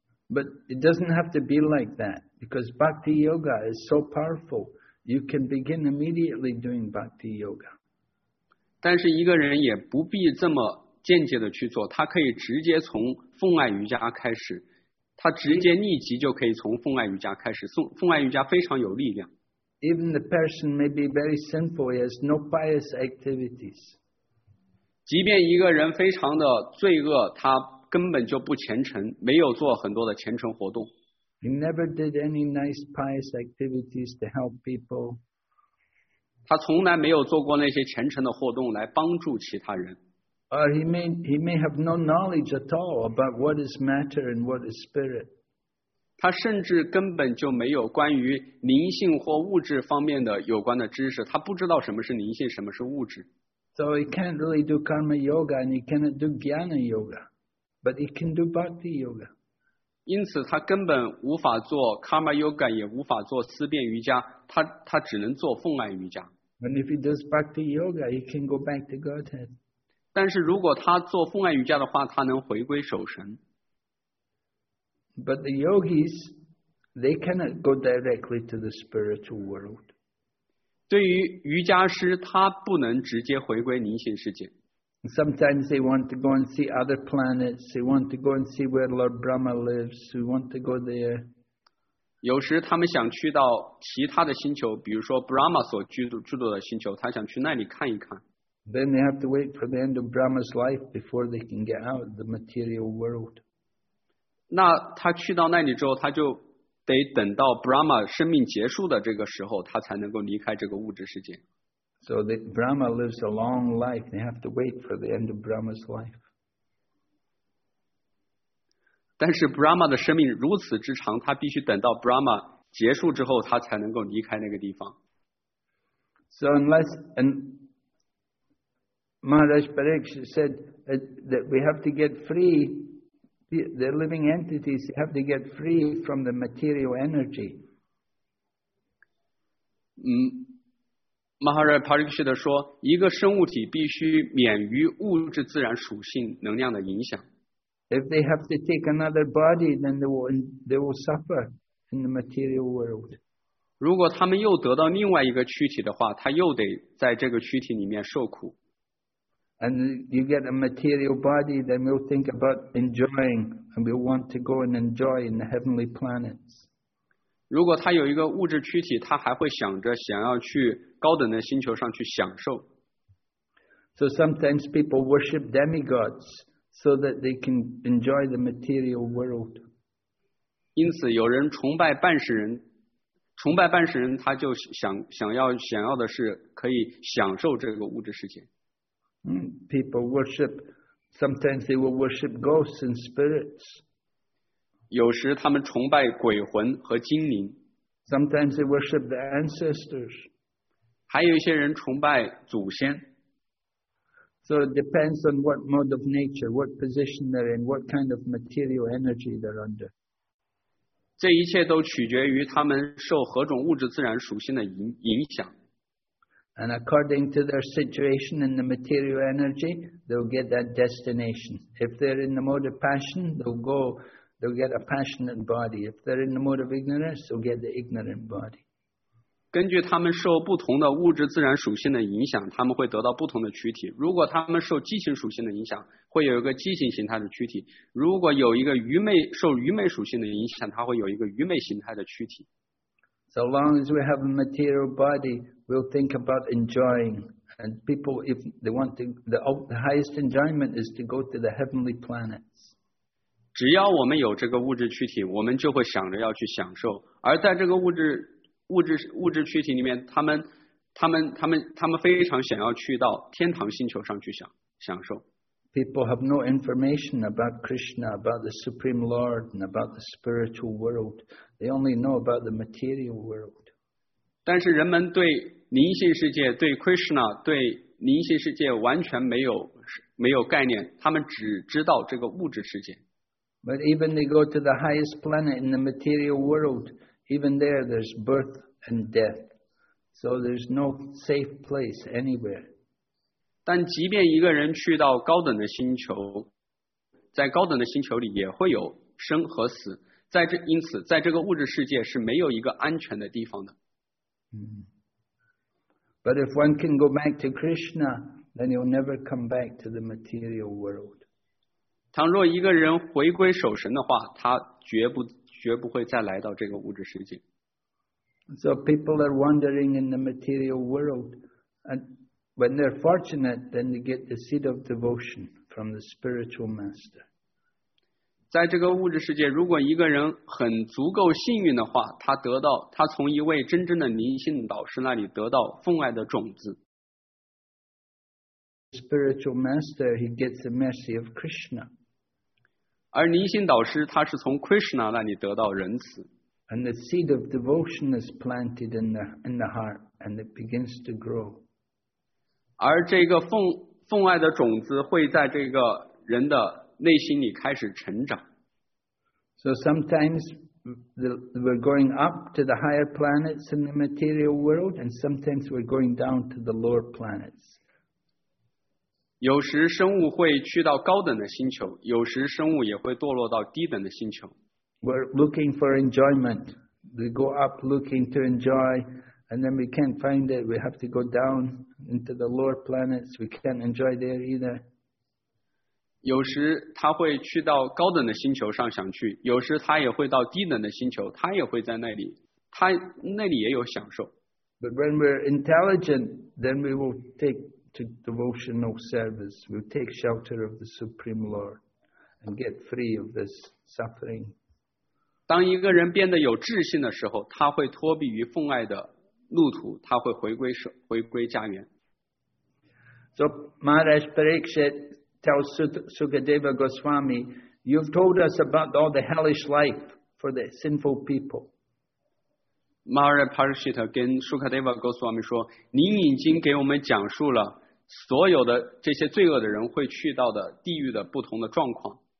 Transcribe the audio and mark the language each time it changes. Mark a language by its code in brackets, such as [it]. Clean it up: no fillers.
[en] But it doesn't have to be like that, because Bhakti Yoga is so powerful, you can begin immediately doing Bhakti Yoga. [zh] 但是一个人也不必这么间接的去做，他可以直接从奉爱瑜伽开始，他直接立即就可以从奉爱瑜伽开始，奉爱瑜伽非常有力量。 [en] Even the person may be very sinful, he has no pious activities. [zh] 即便一个人非常的罪恶，他根本就不虔诚，没有做很多的虔诚活动。 [en] He never did any nice pious activities to help people. [zh] 他从来没有做过那些虔诚的活动来帮助其他人。 [en] Or he may have no knowledge at all about what is matter and what is spirit. [zh] 他甚至根本就没有关于灵性或物质方面的有关的知识，他不知道什么是灵性，什么是物质。 [en] So he can't really do karma yoga and he cannot do jnana yoga, but he can do bhakti yoga. [zh] 因此他根本无法做 karma yoga, 也无法做思辨瑜伽，他只能做奉爱瑜伽。 [en] And if he does bhakti yoga, he can go back to Godhead. [zh] 但是如果他做奉爱瑜伽的话，他能回归守神。 [en] But the yogis, they cannot go directly to the spiritual world. [zh] 对于瑜伽师，他不能直接回归灵性世界。 [en] Sometimes they want to go and see other planets. They want to go and see where Lord Brahma lives. They want to go there. [zh] 有时他们想去到其他的星球，比如说 Brahma 所居住的星球，他想去那里看一看。 [en] Then they have to wait for the end of Brahma's life before they can get out of the material world. [zh] 那他去到那里之后，他就得等到 Brahma 生命结束的这个时候，他才能够离开这个物质世界。 [en] So the Brahma lives a long life. They have to wait for the end of Brahma's life. [zh] 但是 Brahma 的生命如此之长，他必须等到 Brahma 结束之后，他才能够离开那个地方。 [en] So unless and Maharaj Pariksit said that we have to get free, the living entities have to get free from the material energy. [zh] Maharaj Pariksit 说，一个生物体必须免于物质自然属性能量的影响。 [en] If they have to take another body, then they will suffer in the material world. [zh] 如果他们又得到另外一个躯体的话，他又得在这个躯体里面受苦。 [en] And you get a material body, then we'll think about enjoying, and we'll want to go and enjoy in the heavenly planets. [zh] 如果他有一个物质躯体，他还会想着想要去高等的星球上去享受。 [en] So sometimes people worship demigods so that they can enjoy the material world. [zh] 因此有人崇拜半神人，崇拜半神人他就想要的是可以享受这个物质世界。 [en] People worship, sometimes they will worship ghosts and spirits. [zh] 有时他们崇拜鬼魂和精灵。 [en] Sometimes they worship the ancestors. [zh] 还有一些人崇拜祖先。 [en] So it depends on what mode of nature, what position they're in, what kind of material energy they're under. [zh] 这一切都取决于他们受何种物质自然属性的影响。 [en] And according to their situation in the material energy, they'll get that destination. If they're in the mode of passion, they'll get a passionate body. If they're in the mode of ignorance, they'll get the ignorant body. [zh] 根据他们受不同的物质自然属性的影响，他们会得到不同的躯体。如果他们受激情属性的影响，会有一个激情形态的躯体。如果有一个愚昧，受愚昧属性的影响，他会有一个愚昧形态的躯体。 [en] So long as we have a material body, we'll think about enjoying. And people, if they want to, the highest enjoyment is to go to the heavenly planets. [zh] 只要我们有这个物质躯体，我们就会想着要去享受。而在这个物质躯体里面，他们非常想要去到天堂星球上去享受。 [en] People have no information about Krishna, about the Supreme Lord, and about the spiritual world. They only know about the material world. [zh] 但是人们对灵性世界、对 Krishna、对灵性世界完全没有概念，他们只知道这个物质世界。 [en] But even they go to the highest planet in the material world, even there there's birth and death. So there's no safe place anywhere. [zh] 但即便一个人去到高等的星球，在高等的星球里也会有生和死。因此在这个物质世界是没有一个安全的地方的。 [en] But if one can go back to Krishna, then he'll never come back to the material world. [zh] 倘若一个人回归守神的话，他绝不会再来到这个物质世界。 [en] So people are wandering in the material world, and when they're fortunate, then they get the seed of devotion from the spiritual master. [zh] 在这个物质世界，如果一个人很足够幸运的话，他从一位真正的灵性导师那里得到奉爱的种子。 [en] Spiritual master, he gets the mercy of Krishna. [zh] 而尼辛导师他是从 Krishna 那里得到仁慈。 [en] And the seed of devotion is planted in the heart, and it begins to grow. [zh] 而这个奉爱的种子会在这个人的内心里开始成长。 [en] So sometimes we're going up to the higher planets in the material world, and sometimes we're going down to the lower planets. [zh] 有时生物会去到高等的星球，有时生物也会堕落到低等的星球。 [en] We're looking for enjoyment. We go up looking to enjoy, and then we can't find it. We have to go down into the lower planets. We can't enjoy there either. [zh] 有时他会去到高等的星球上想去，有时他也会到低等的星球，他也会在那里，他那里也有享受。 [en] But when we're intelligent, then we will take to devotional service. We'll take shelter of the Supreme Lord and get free of this suffering. [zh] 当一个人变得有智性的时候，他会脱避于奉爱的路途，他会回归家园。 [en] So Maharaj Parikshit tells Sukadeva Goswami, "You've told us about all the hellish life for the sinful people." [zh] Maharaj Parikshit 跟 Sukadeva Goswami 说，您已经给我们讲述了所有的这些罪恶的人会去到的地狱的不同的状况。